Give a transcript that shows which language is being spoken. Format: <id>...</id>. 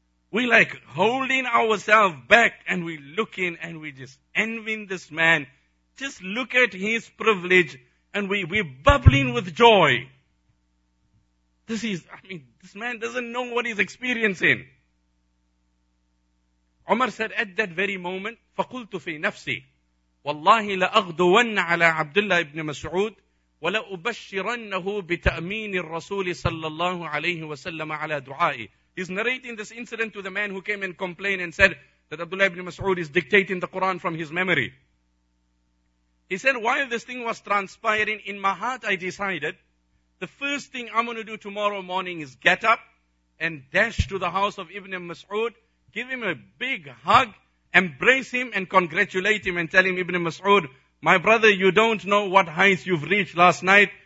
<en>We like holding ourselves back and we looking and we just envying this man. Just look at his privilege and we're bubbling with joy. This man doesn't know what he's experiencing. Umar said at that very moment,</en> <ar>فَقُلْتُ فِي نَفْسِي وَاللَّهِ لَأَغْدُوَنَّ عَلَىٰ عَبْدُ اللَّهِ بْنِ مَسْعُودِ وَلَأُبَشِّرَنَّهُ بِتَأْمِينِ الرَّسُولِ صَلَّى اللَّهُ عَلَيْهِ وَسَلَّمَ عَلَىٰ دُعَائِ.</ar> <en>He's narrating this incident to the man who came and complained and said that Abdullah ibn Mas'ud is dictating the Quran from his memory. He said, while this thing was transpiring, in my heart I decided, the first thing I'm going to do tomorrow morning is get up and dash to the house of Ibn Mas'ud, give him a big hug, embrace him and congratulate him and tell him, Ibn Mas'ud, my brother, you don't know what heights you've reached last night.</en>